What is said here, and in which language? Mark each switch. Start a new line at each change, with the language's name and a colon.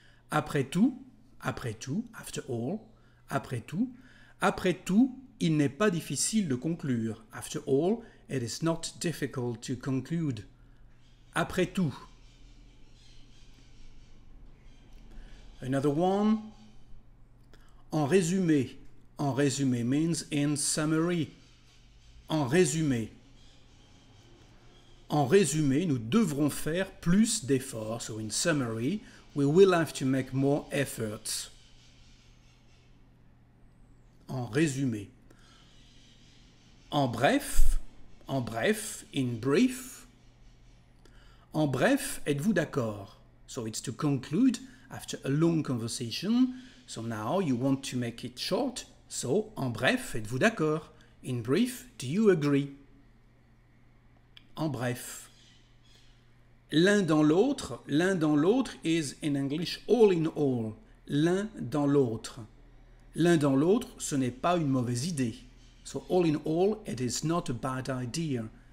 French: Après tout,
English: after all,
French: après tout, il n'est pas difficile de conclure.
English: After all, it is not difficult to conclude.
French: Après tout.
English: Another one.
French: En résumé
English: means in summary.
French: En résumé, nous devrons faire plus d'efforts.
English: So in summary, we will have to make more efforts.
French: En résumé. En bref,
English: in brief.
French: En bref, êtes-vous d'accord?
English: So it's to conclude after a long conversation. So now you want to make it short. So,
French: en bref, êtes-vous d'accord?
English: In brief, do you agree?
French: En bref. L'un dans l'autre
English: is in English all in all.
French: L'un dans l'autre. L'un dans l'autre, ce n'est pas une mauvaise idée.
English: So all in all, it is not a bad idea.